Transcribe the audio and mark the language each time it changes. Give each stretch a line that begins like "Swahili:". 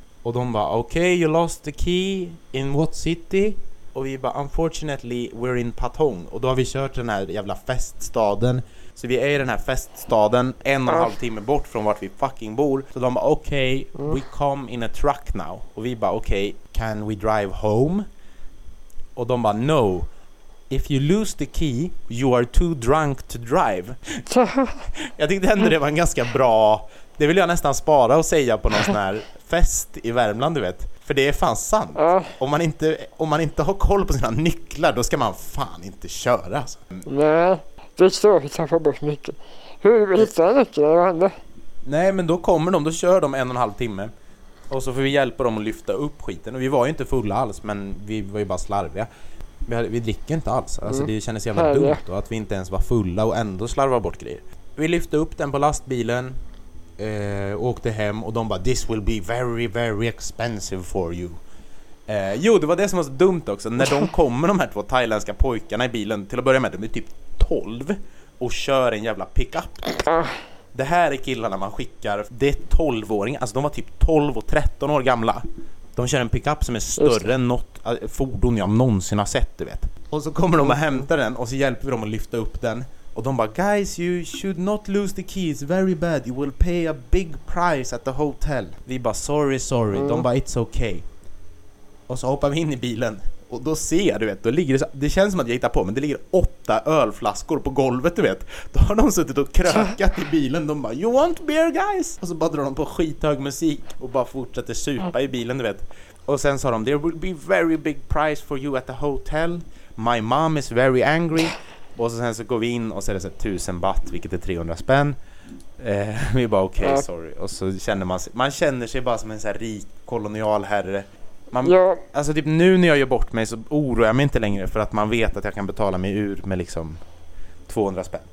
English: Och de bara, okay, you lost the key in what city? Och vi bara, unfortunately we're in Patong.
Swedish: Och då har vi kört den här jävla feststaden. Så vi är i den här feststaden 1,5 timme bort från vart vi fucking bor.
English: Så de bara, okay, we come in a truck now. Och vi bara, okay, can we drive home? Och de bara, no. If you lose the key, you are too drunk to drive.
Swedish: Jag tyckte ändå det var en ganska bra... Det vill jag nästan spara och säga på någon sån här fest i Värmland, du vet. För det är fan sant. Om man inte har koll på sina nycklar, då ska man fan inte köra. Nej, det är så att vi tappar bort nyckeln. Hur hittar jag nyckeln? Vad händer? Nej, men då kommer de. Då kör de 1,5 timme. Och så får vi hjälpa dem att lyfta upp skiten. Och vi var ju inte fulla alls, men vi var ju bara slarviga. Vi dricker inte alls. Alltså det kändes jävla dumt då, att vi inte ens var fulla och ändå slarvade bort grejer. Vi lyfte upp den på lastbilen
English: åkte hem och de bara, this will be very very expensive for you.
Swedish: Jo, det var det som var så dumt också. När de kommer, de här två thailändska pojkarna i bilen, till att börja med, de är typ 12 och kör en jävla pickup. Det här är killarna man skickar. Det är 12-åringar. Alltså de var typ 12 och 13 år gamla. De kör en pickup som är större än något fordon jag någonsin har sett, du vet. Och så kommer de och hämtar den, och så hjälper vi dem att lyfta upp den.
English: Och de bara, guys, you should not lose the keys, very bad, you will pay a big price at the hotel.
Swedish: Vi bara, sorry, sorry. De bara, it's okay. Och så hoppar vi in i bilen. Och då ser jag, du vet, då ligger det så, det känns som att jag hittar på, men det ligger 8 ölflaskor på golvet, du vet. Då har de suttit och krökat i bilen. De bara, you want beer, guys? Och så bara drar de på skithög musik och bara fortsätter supa i bilen, du vet.
English: Och sen sa de, there will be very big price for you at the hotel, my mom is very angry.
Swedish: Och så sen så går vi in och så är det så 1000 baht, vilket är 300 spänn. Vi bara, okej, okay, sorry. Och så känner man sig, bara som en så här rik kolonialherre. Alltså typ nu när jag gör bort mig så oroar jag mig inte längre, för att man vet att jag kan betala mig ur med liksom 200 spänn.